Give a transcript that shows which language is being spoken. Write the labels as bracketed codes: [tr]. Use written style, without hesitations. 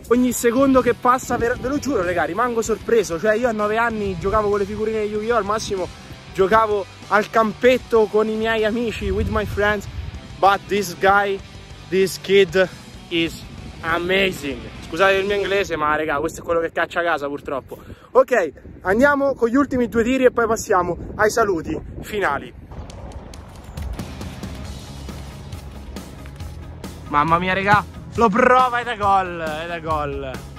[it] Ogni secondo che passa, ve lo giuro, raga, rimango sorpreso. Cioè, io a 9 anni giocavo con le figurine di Yu-Gi-Oh! Al massimo giocavo al campetto con i miei amici, [en] with my friends. But this guy, this kid is amazing. [it] Scusate il mio inglese, ma raga, questo è quello che caccia a casa, purtroppo. Ok, andiamo con gli ultimi 2 tiri e poi passiamo ai saluti finali. Mamma mia, raga. Lo prova ed è gol, ed è gol.